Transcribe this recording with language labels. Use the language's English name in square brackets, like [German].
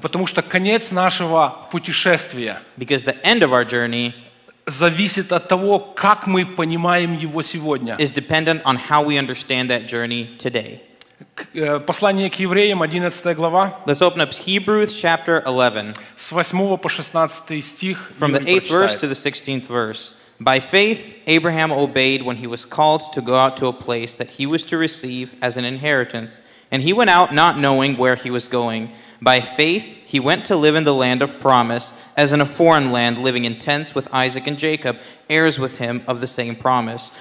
[Russian] Потому что конец нашего путешествия. [English] Because the end of our journey [Russian] зависит от того, как мы понимаем его сегодня. [English] Is dependent on how we understand that journey today. [Russian] Послание к евреям, 11 глава. [English] Let's open up Hebrews chapter 11. [Russian] С 8 по 16 стих. [English] From the 8th verse to the 16th verse. By faith, Abraham obeyed when he was called to go out to a place that he was to receive as an inheritance. And he went out not knowing where he was going. By faith, he went to live in the land of promise, as in a foreign land, living in tents with Isaac and Jacob, heirs with him of the same promise.